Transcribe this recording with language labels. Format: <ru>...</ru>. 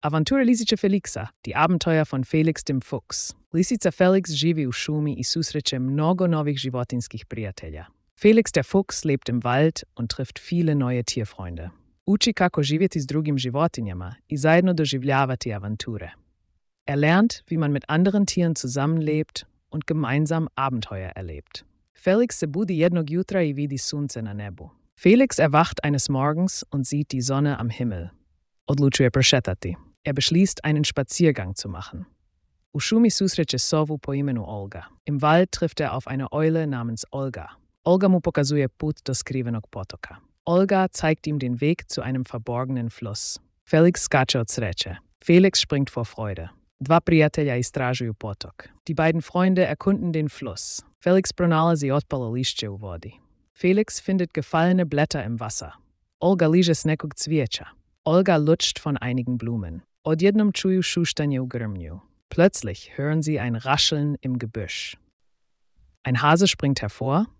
<hr>Aventura Lisice Felixa,</hr> <de>die Abenteuer von Felix dem Fuchs.</de> <hr>Lisica Felix živi u šumi i susreće mnogo novih životinskih prijatelja.</hr> <de>Felix der Fuchs lebt im Wald und trifft viele neue Tierfreunde.</de> <hr>Uči kako živjeti s drugim životinjama i zajedno doživljavati avanture.</hr> <de>Er lernt, wie man mit anderen Tieren zusammenlebt und gemeinsam Abenteuer erlebt.</de> <hr>Felix se budi jednog jutra i vidi sunce na nebu.</hr> <de>Felix erwacht eines Morgens und sieht die Sonne am Himmel.</de> <hr>Odlučuje prošetati.</hr> <de>Er beschließt, einen Spaziergang zu machen.</de> <hr>U šumi susreće sovu po imenu Olga.</hr> <de>Im Wald trifft er auf eine Eule namens Olga.</de> <hr>Olga mu pokazuje put do skrivenog potoka.</hr> <de>Olga zeigt ihm den Weg zu einem verborgenen Fluss.</de> <hr>Felix skače od sreće.</hr> <de>Felix springt vor Freude.</de> <hr>Dva prijatelja istražuju potok.</hr> <de>Die beiden Freunde erkunden den Fluss.</de> <hr>Felix pronalazi otpalo lišće u vodi.</hr> <de>Felix findet gefallene Blätter im Wasser.</de> <hr>Olga liže s nekog cvijeća.</hr> <de>Olga lutscht von einigen Blumen.</de> <hr>Odjednom čuju šuštanje u grmlju.</hr> <de>Plötzlich hören sie ein Rascheln im Gebüsch. Ein Hase springt hervor.</de>